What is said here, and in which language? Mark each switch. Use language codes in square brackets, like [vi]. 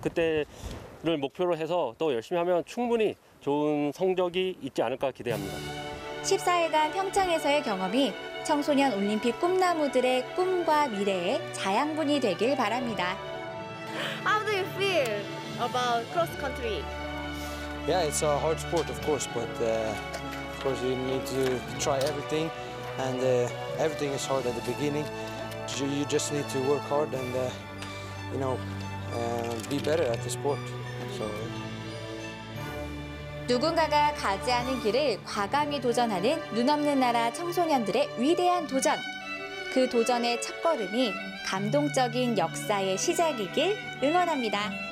[ko] 그때를 목표로 해서 더 열심히 하면 충분히 좋은 성적이 있지 않을까 기대합니다. 14일간 평창에서의 경험이 청소년 올림픽 꿈나무들의 꿈과 미래에 자양분이 되길 바랍니다. [en] How do you feel about cross country? Yeah, it's a hard sport of course, but of course, you need to try everything, and everything is hard at the beginning. You just need to work hard and, you know, be better at the sport. So. [ko] 누군가가 가지 않은 길을 과감히 도전하는 눈 없는 나라 청소년들의 위대한 도전. 그 도전의 첫 걸음이 감동적인 역사의 시작이길 응원합니다.